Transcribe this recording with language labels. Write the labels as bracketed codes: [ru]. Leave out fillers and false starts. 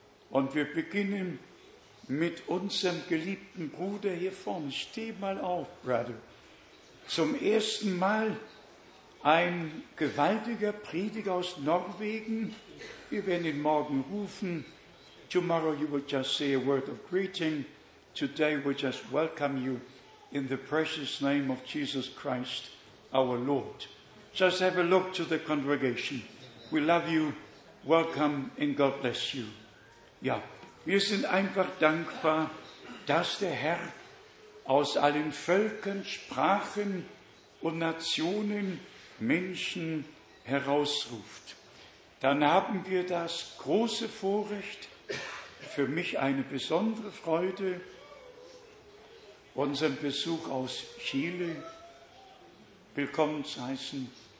[de] Und wir beginnen mit unserem geliebten Bruder hier vorne. Steh mal auf, Bruder. Zum ersten Mal ein gewaltiger Prediger aus Norwegen. Wir werden ihn morgen rufen. [en] Tomorrow you will just say a word of greeting. Today we just welcome you in the precious name of Jesus Christ, our Lord. Just have a look to the congregation. We love you. Welcome and God bless you. [de] Ja, wir sind einfach dankbar, dass der Herr aus allen Völkern, Sprachen und Nationen Menschen herausruft. Dann haben wir das große Vorrecht, für mich eine besondere Freude, unseren Besuch aus Chile willkommen zu heißen.